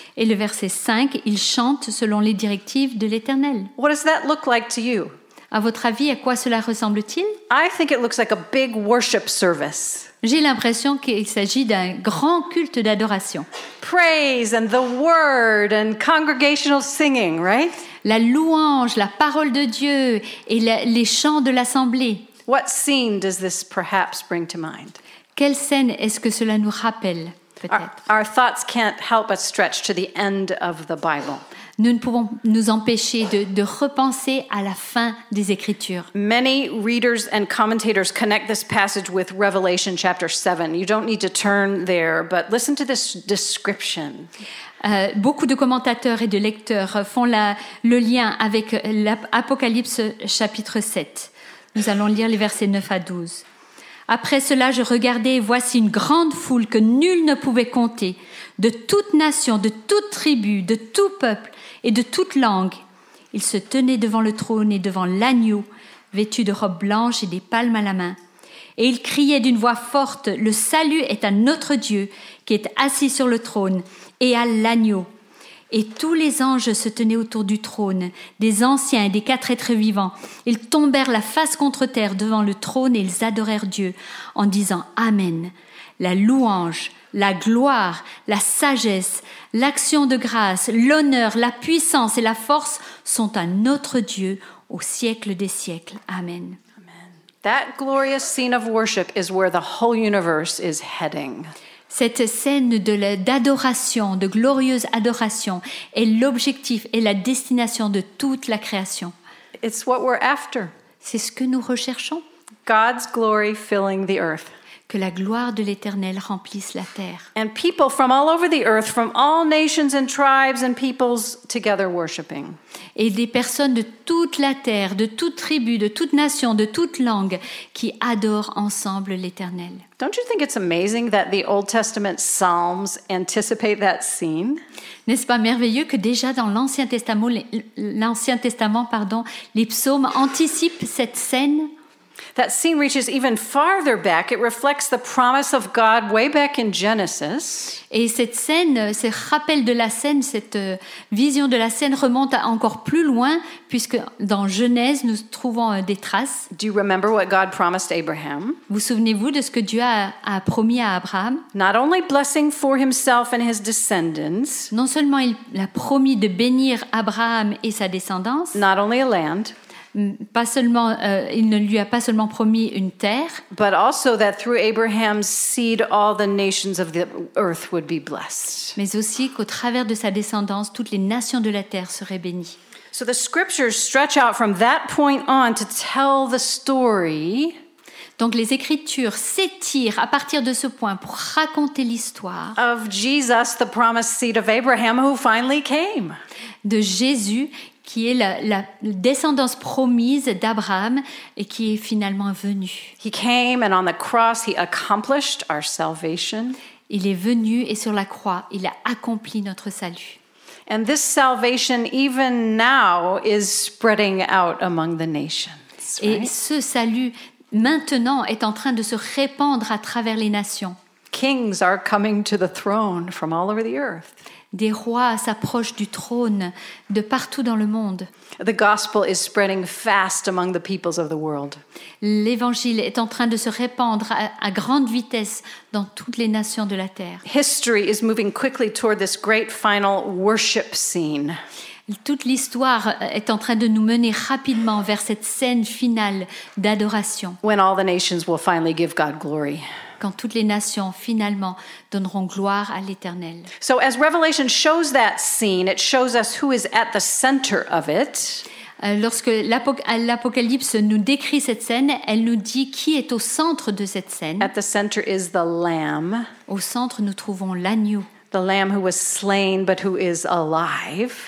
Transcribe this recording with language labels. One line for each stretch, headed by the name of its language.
French: Et le verset 5, ils chantent selon les directives de l'Éternel.
English: What does that look like to you?
French: À votre avis, à quoi cela ressemble-t-il?
English: I think it looks like a big worship service.
French: J'ai l'impression qu'il s'agit d'un grand culte d'adoration.
English: Praise and the word and congregational singing, right?
French: La louange, la parole de Dieu et les chants de l'assemblée.
English: What scene does this perhaps bring to mind?
French: Quelle scène est-ce que cela nous rappelle, peut-être?
English: Our thoughts can't help but stretch to the end of the Bible.
French: Nous ne pouvons nous empêcher de repenser à la fin des Écritures.
English: Many readers and commentators connect this passage with Revelation chapter 7. You don't need to turn there, but listen to this description.
French: Beaucoup de commentateurs et de lecteurs font le lien avec l'Apocalypse chapitre 7. Nous allons lire les versets 9 à 12. « Après cela, je regardais, et voici une grande foule que nul ne pouvait compter, de toute nation, de toute tribu, de tout peuple et de toute langue. Ils se tenaient devant le trône et devant l'agneau, vêtus de robes blanches et des palmes à la main. Et ils criaient d'une voix forte, « Le salut est à notre Dieu qui est assis sur le trône et à l'agneau. » Et tous les anges se tenaient autour du trône, des anciens et des quatre êtres vivants. Ils tombèrent la face contre terre devant le trône et ils adorèrent Dieu en disant « Amen ». La louange, la gloire, la sagesse, l'action de grâce, l'honneur, la puissance et la force sont à notre Dieu au siècle des siècles. Amen. Amen.
English: That glorious scene of worship is where the whole universe is heading.
French: Cette scène d'adoration, de glorieuse adoration, est l'objectif et la destination de toute la création.
English: It's what we're after.
French: C'est ce que nous recherchons.
English: God's glory filling the earth.
French: Que la gloire de l'Éternel remplisse la terre.
English: And people from all over the earth, from all nations and tribes and peoples together worshiping.
French: Et des personnes de toute la terre, de toute tribu, de toute nation, de toute langue qui adorent ensemble l'Éternel.
English: Don't you think it's amazing that the Old Testament Psalms anticipate that scene?
French: N'est-ce pas merveilleux que déjà dans l'Ancien Testament, les psaumes anticipent cette scène?
English: That scene reaches even farther back. It reflects the promise of God way back in Genesis.
French: Et cette scène, ce rappel de la scène, cette vision de la scène remonte à encore plus loin, puisque dans Genèse, nous trouvons des traces.
English: Do you remember what God promised Abraham?
French: Vous souvenez-vous de ce que Dieu a promis à Abraham?
English: Not only blessing for himself and his descendants.
French: Non seulement il a promis de bénir Abraham et sa descendance.
English: Not only a land.
French: Pas seulement, il ne lui a pas seulement promis une terre,
English: but also that through Abraham's seed, all the nations of the earth would be blessed.
French: Mais aussi qu'au travers de sa descendance, toutes les nations de la terre seraient bénies.
English: So the scriptures stretch out from that point on to tell the story.
French: Donc les Écritures s'étirent à partir de ce point pour raconter l'histoire
English: of Jesus, the promised seed of Abraham, who finally came.
French: De Jésus qui est la descendance promise d'Abraham et qui est finalement venu.
English: He came and on the cross he accomplished our salvation.
French: Il est venu et sur la croix, il a accompli notre salut.
English: And this salvation even now is spreading out among the nations. Right?
French: Et ce salut maintenant est en train de se répandre à travers les nations.
English: Kings are coming to the throne from all over the earth.
French: Des rois s'approchent du trône de partout dans le monde.
English: The gospel is spreading fast among the peoples of the world.
French: L'évangile est en train de se répandre à grande vitesse dans toutes les nations de la terre.
English: History is moving quickly toward this great final worship scene.
French: Toute l'histoire est en train de nous mener rapidement vers cette scène finale d'adoration.
English: When all the nations will finally give God glory.
French: Quand toutes les nations finalement donneront gloire à l'Éternel.
English: So as Revelation shows that scene, it shows us who is at the center of it.
French: Lorsque l'Apocalypse nous décrit cette scène, elle nous dit qui est au centre de cette scène.
English: At the center is the Lamb.
French: Au centre, nous trouvons l'agneau.
English: The Lamb who was slain but who is alive.